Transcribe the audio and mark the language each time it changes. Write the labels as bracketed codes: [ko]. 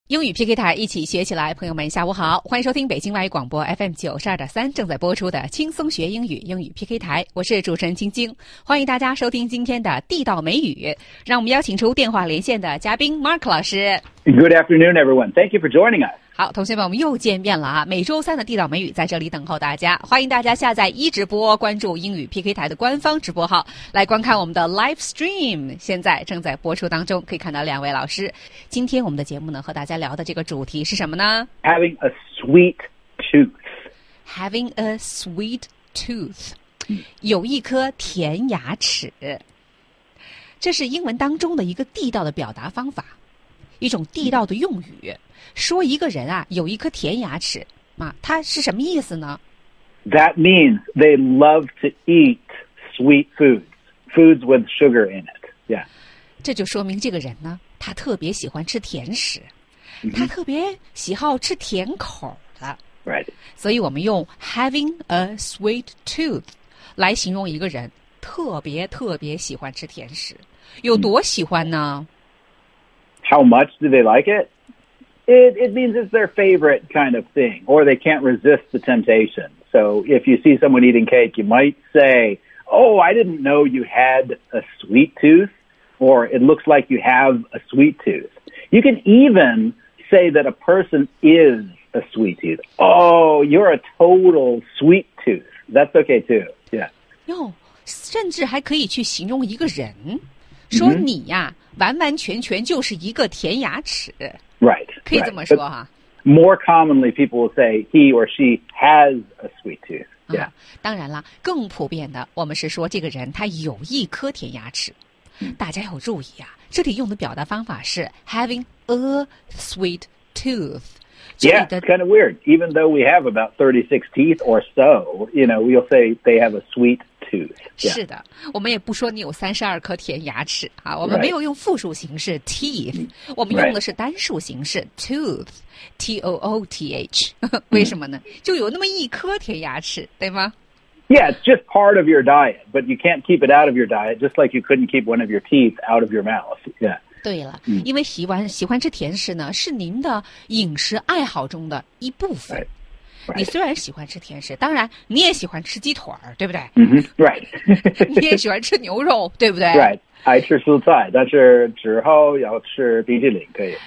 [zh] 英语 PK 台一起学起来，朋友们下午好，欢迎收听北京外语广播 FM92.3 正在播出的轻松学英语英语 PK 台，我是主持人晶晶，欢迎大家收听今天的地道美语，让我们邀请出电话连线的嘉宾 Mark 老师。 [en] Good afternoon everyone, thank you for joining us. [zh] 好，同学们，我们又见面了啊！每周三的地道美语在这里等候大家，欢迎大家下载一直播，关注英语 PK 台的官方直播号来观看我们的 [en] live stream, [zh] 现在正在播出当中，可以看到两位老师。今天我们的节目呢，和大家聊的这个主题是什么呢？ [en] Having a sweet tooth. Having a sweet tooth. [zh] 有一颗甜牙齿，这是英文当中的一个地道的表达方法，一种地道的用语，说一个人啊有一颗甜牙齿啊，他是什么意思呢？ [en] That means they love to eat sweet foods with sugar in it. Yeah. [zh] 这就说明这个人呢，他特别喜欢吃甜食，他特别喜好吃甜口的。 [en] Right. [zh] 所以我们用 [en] having a sweet tooth [zh] 来形容一个人特别特别喜欢吃甜食，有多喜欢呢？ [en] How much do they like it? It means it's their favorite kind of thing, or they can't resist the temptation. So if you see someone eating cake, you might say, oh, I didn't know you had a sweet tooth, or it looks like you have a sweet tooth. You can even say that a person is a sweet tooth. Oh, you're a total sweet tooth. That's okay, too. Yeah. [zh] No, 甚至还可以去形容一个人，说你呀，完完全全就是一个甜牙齿。 [en] Right. [zh] 可以这么说哈。 [en] More commonly, people will say he or she has a sweet tooth. Yeah. [zh] 当然了，更普遍的，我们是说这个人他有一颗甜牙齿。大家要注意啊，这里用的表达方法是 [en] having a sweet tooth. Yeah, it's kind of weird. Even though we have about 36 teeth or so, you know, we'll say they have a sweet tooth. Yeah. [zh] 是的，我们也不说你有32颗甜牙齿啊，我们没有用复数形式 teeth, 我们用的是单数形式 tooth, T-O-O-T-H. 为什么呢？就有那么一颗甜牙齿，对吗？ [en] Yeah, it's just part of your diet, but you can't keep it out of your diet, just like you couldn't keep one of your teeth out of your mouth. Yeah. [zh] 对了，因为喜欢吃甜食呢，是您的饮食爱好中的一部分。 [en] Right. Right. [zh] 你虽然喜欢吃甜食，当然你也喜欢吃鸡腿儿，对不对？ [en] Right. [zh] 你也喜欢吃牛肉，对不对？ [en] Right. [zh] 爱吃蔬菜，但是之后要吃冰淇淋可以。